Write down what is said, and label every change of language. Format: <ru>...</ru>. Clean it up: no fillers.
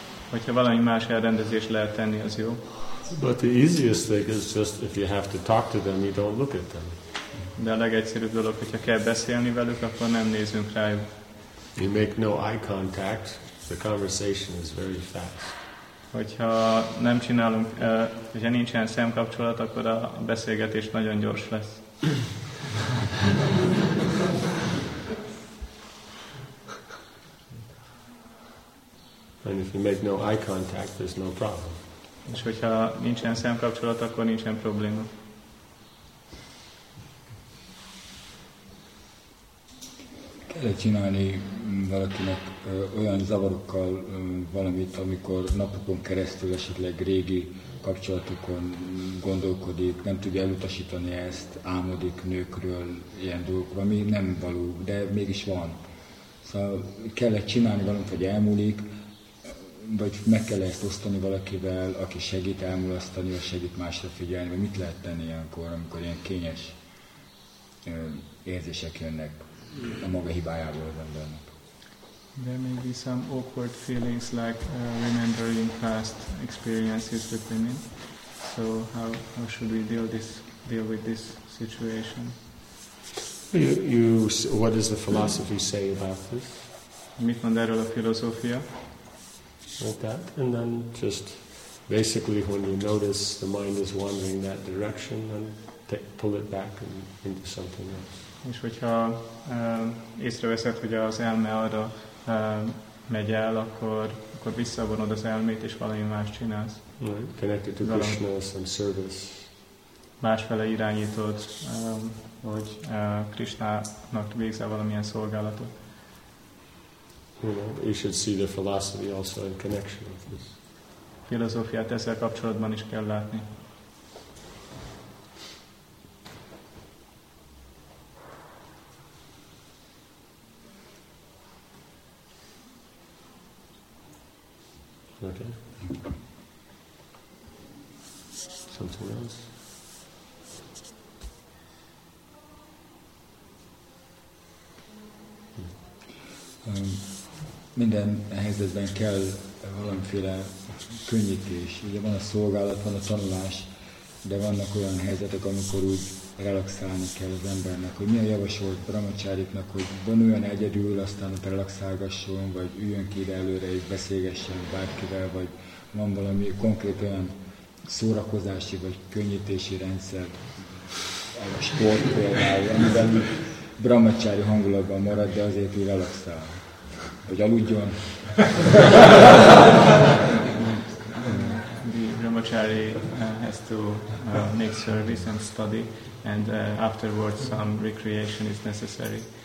<hu>Hogyha valami más elrendezés lehet tenni, az jó.</hu> <en>But the easiest thing is just if you have to talk to them, you don't look at them.</en> <hu>De a legegyszerűbb dolog, hogyha kell beszélni velük, akkor nem nézünk rájuk.</hu> <en>You make no eye contact. The conversation is very fast.</en> <hu>Hogyha nem csinálunk, hogyha nincsen szemkapcsolat, akkor a beszélgetés nagyon gyors lesz.</hu> <en>And if you make no eye contact, there's no problem.</en> <hu>És hogyha nincsen szemkapcsolat, akkor nincsen probléma. Kellett csinálni valakinek olyan zavarokkal valamit, amikor napokon keresztül esetleg régi kapcsolatokon gondolkodik, nem tudja elutasítani ezt, álmodik nőkről, ilyen dolgokról, ami nem való, de mégis van. Szóval kellett csinálni valamit, hogy elmúlik, vagy meg kell ezt osztani valakivel, aki segít elmulasztani, vagy segít másra figyelni, vagy mit lehet tenni ilyenkor, amikor ilyen kényes érzések jönnek a maga hibájából az embernek.</hu> <en>There may be some awkward feelings like remembering past experiences with women. So how should we deal with this situation? You what does the philosophy say about this?</en> <hu>Mit mond erről a filozófia?</hu> <en>Like that, and then just basically when you notice the mind is wandering that direction, then pull it back and into something else.</en> <hu>És hogyha észreveszed, hogy az elme arra megy el, akkor visszavonod az elmét és valami más csinálsz.</hu> <en>Right. Connected to Krishna and service.</en> <hu>Másfele irányítod, hogy Krishnának végzel valamilyen szolgálatot.</hu> <en>You know, you should see the philosophy also in connection with this.</en> <hu>Filozófiát ezzel kapcsolatban is kell látni.</hu> <en>Okay. Something else?</en> <hu>Minden helyzetben kell valamiféle könnyítés. Ugye van a szolgálat, van a tanulás, de vannak olyan helyzetek, amikor úgy relaxálni kell az embernek, hogy mi a javasolt brahmacáriknak, hogy vonuljon egyedül, aztán ott relaxálgasson, vagy üljön ki ide előre és beszélgessen bárkivel, vagy van valami konkrét olyan szórakozási vagy könnyítési rendszer, a sport például, amiben brahmacári hangulatban marad, de azért úgy relaxál. Hogy aludjon.</hu> <en>The Brahmachari has to make service and study, and afterwards some recreation is necessary.</en>